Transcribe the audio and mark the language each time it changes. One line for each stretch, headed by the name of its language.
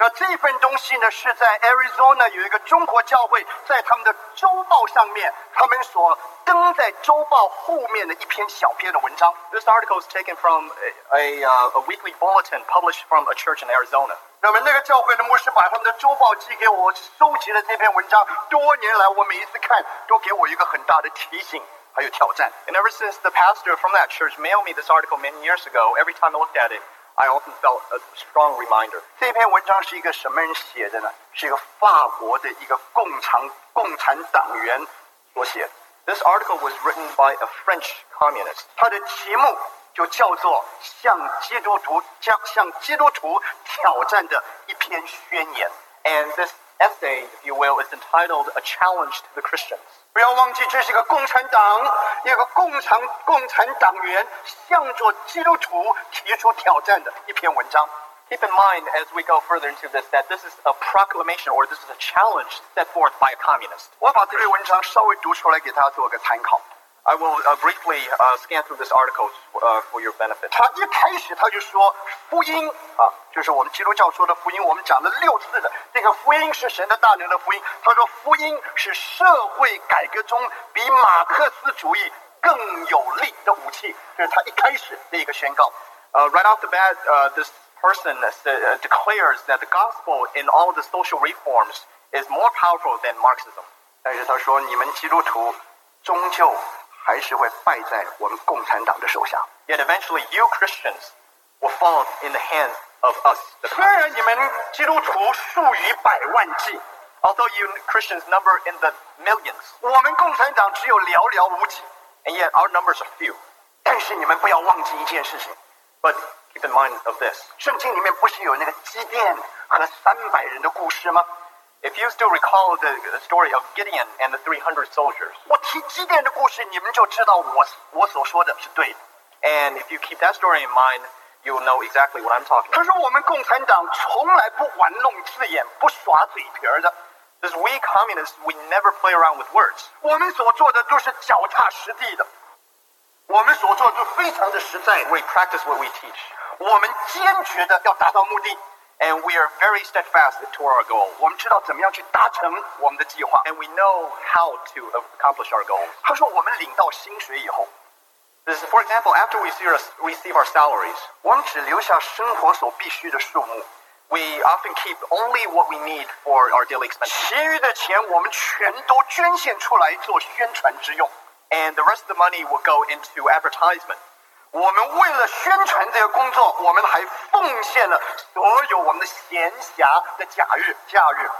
Chinese: 那这份东西呢，是在 Arizona 有一个中国教会在他们的周报上面，他们所登在周报后面的一篇小篇的文章。
English: This article is taken from a weekly bulletin published from a church in Arizona.
Chinese: 那么那个教会的牧师把他们的周报寄给我，收集了这篇文章。多年来，我每一次看，都给我一个很大的提醒。
English: And ever since the pastor from that church mailed me this article many years ago, every time I looked at it, I often felt a strong reminder.
Chinese: 这篇文章是一个什么人写的呢？是一个法国的一个共产党员所写的。
English: This article was written by a French communist.
Chinese: 它的题目就叫做向基督徒挑战的一篇宣言。
English: And this essay, if you will, is entitled A Challenge to the Christians.
Chinese: 不要忘记，这是一个共产党员向着基督徒提出挑战的一篇文章。
English: Keep in mind as we go further into this that this is a proclamation or this is a challenge set forth by a communist.
Chinese: 我把这篇文章稍微读出来给大家做个参考。
English: I will briefly scan through this article for your benefit.
Chinese: 他一开始他就说福音啊，就是我们基督教说的福音，我们讲了六次的那个福音是神的大能的福音。他说福音是社会改革中比马克思主义更有力的武器，这是他一开始的一个宣告。
English: Right off the bat, this person declares that the gospel in all the social reforms is more powerful than Marxism.
Chinese: 但是他说你们基督徒终究还是会败在我们共产党的手下。
English: Yet eventually, you Christians will fall in the hands of us.
Chinese: 虽然你们基督徒数以百万计
English: ，although you Christians number in the millions，
Chinese: 我们共产党只有寥寥无几
English: ，and yet our numbers are few。
Chinese: 但是你们不要忘记一件事情
English: ，but keep in mind of this。
Chinese: 圣经里面不是有那个基甸和300人的故事吗？
English: If you still recall the story of Gideon and the 300 soldiers,
Chinese: 我提基甸的故事，你们就知道我所说的是对的。
English: And if you keep that story in mind, you'll know exactly what I'm talking about.
Chinese: 可是我们共产党从来不玩弄字眼，不耍嘴皮的。
English: This we communists, we never play around with words.
Chinese: 我们所做的都是脚踏实地的。我们所做的都非常的实在。
English: We practice what we teach.
Chinese: 我们坚决的要达到目的。
English: And we are very steadfast to our goal.
Chinese: 我们知道怎么样去达成我们的计划。
English: And we know how to accomplish our goals.
Chinese: 他说我们领到薪水以后
English: This is, for example, after we receive our salaries,
Chinese: 我们只留下生活所必须的数目。
English: We often keep only what we need for our daily expenses.
Chinese: 其余的钱我们全都捐献出来做宣传之用。
English: And the rest of the money will go into advertisement.
Chinese: 我们为了宣传这个工作，我们还奉献了所有我们的闲暇的假日。